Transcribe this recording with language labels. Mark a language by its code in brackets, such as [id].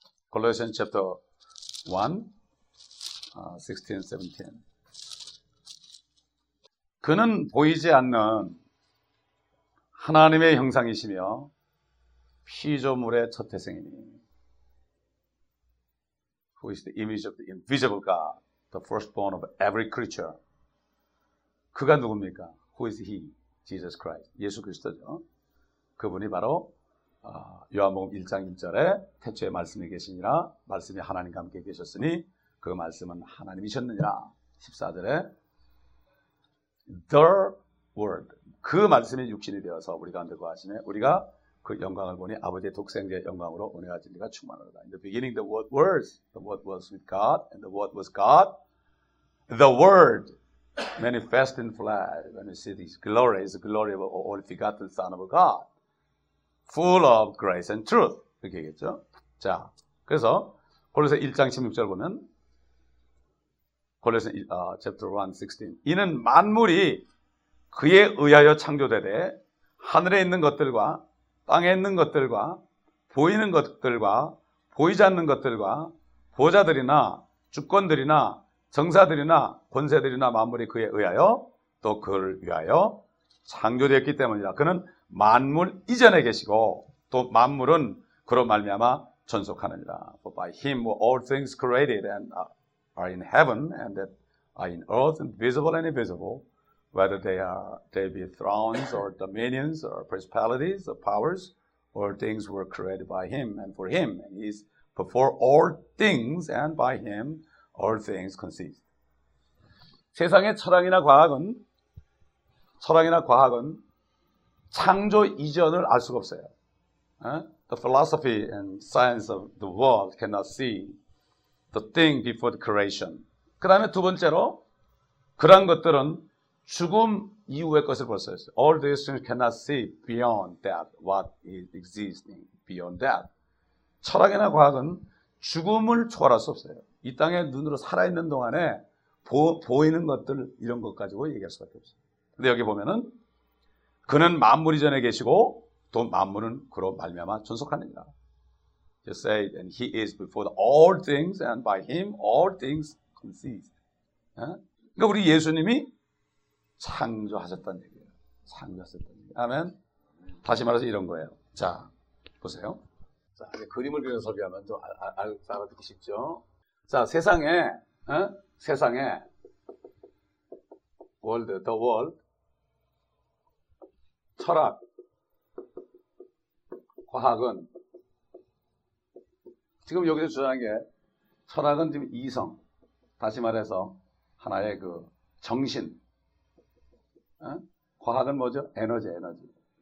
[ko] 골로새 챕터 1 16, 17. 그는 보이지 않는 하나님의 형상이시며 피조물의 첫 태생이니. [en] Who is the image of the invisible God, the firstborn of every creature? [ko] 그가 누굽니까? [en] Who is he? [ko] Jesus Christ. 예수 그리스도죠. 그분이 바로 요한복음 1장 1절에 태초에 말씀이 계시니라, 말씀이 하나님과 함께 계셨으니 그 말씀은 하나님이셨느니라. 14절에 The Word, 그 말씀이 육신이 되어서 우리 가운데 거하시네, 우리가 그 영광을 보니 아버지의 독생자의 영광으로 은혜가 진리가 충만하다. [en] In the beginning the Word was, the Word was with God, and the Word was God. The Word manifest in flesh, when you see this glory, is the glory of the only begotten Son of God, full of grace and truth. [ko] 이렇게 얘기했죠. 자, 그래서 골로새 1장 16절 보면, 골로새 chapter 1, 16. 이는 만물이 그에 의하여 창조되되, 하늘에 있는 것들과 땅에 있는 것들과 보이는 것들과 보이지 않는 것들과 보좌들이나 주권들이나 정사들이나 권세들이나 만물이 그에 의하여 또 그를 위하여 창조되었기 때문이라. 그는 만물 이전에 계시고 또 만물은 그로 말미암아 존속하느니라. [en] For by him were all things created and are in heaven and that are in earth, visible and invisible, whether they be thrones or dominions or principalities or powers, all things were created by him and for him, and he is before all things, and by him all things consist. [ko] 세상의 철학이나 과학은 창조 이전을 알 수가 없어요. [en] The philosophy and science of the world cannot see the thing before the creation. [ko] 그 다음에 두 번째로, 그런 것들은 죽음 이후의 것을 볼 수 있어요. [en] All these things cannot see beyond that, what is existing beyond that. [ko] 철학이나 과학은 죽음을 초월할 수 없어요. 이 땅에 눈으로 살아있는 동안에 보이는 것들, 이런 것 가지고 얘기할 수밖에 없어요. 근데 여기 보면은, 그는 만물 이전에 계시고 또 만물은 그로 말미암아 존속하느니라. [en] You say, and he is before all things, and by him all things consist. [ko] 그러니까 우리 예수님이 창조하셨단 얘기예요. 창조하셨단 얘기. 아멘. 다시 말해서 이런 거예요. 자, 보세요. 자, 이제 그림을 그려서 소개하면 좀 알아듣기 쉽죠? 자, 세상에, 어? 세상에, world, the world, 철학, 과학은, 지금 여기서 주장한 게, 철학은 지금 이성, 다시 말해서 하나의 그 정신, 어? 과학은 뭐죠? 에너지, 에너지.